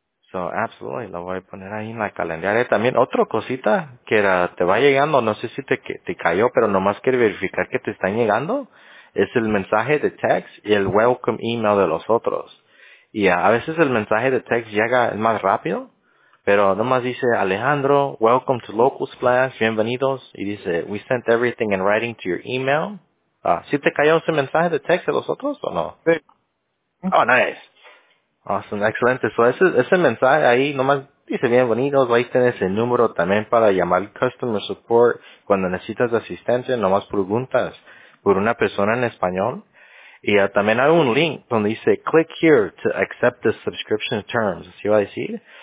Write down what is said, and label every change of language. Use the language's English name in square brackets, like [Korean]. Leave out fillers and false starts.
[English] So, absolutely, [Spanish] lo voy a poner ahí en la calendaria. También otra cosita que era, te va llegando, no sé si te cayó, pero nomás quiero verificar que te están llegando, es el mensaje de text y el welcome email de los otros. Y a veces el mensaje de text llega más rápido, pero nomás dice, Alejandro, [English] welcome to Local Splash, [Spanish] bienvenidos. Y dice, [English] we sent everything in writing to your email. [Spanish] ¿Sí te cayó ese mensaje de text de los otros o no? Sí. [English] Oh, nice. Awesome, [Spanish] excelente. So ese mensaje ahí nomás dice bienvenidos. Ahí tienes el número también para llamar customer support cuando necesitas asistencia. Nomás preguntas por una persona en español. Y también hay un link donde dice [English] click here to accept the subscription terms. [Spanish] Así va a decir.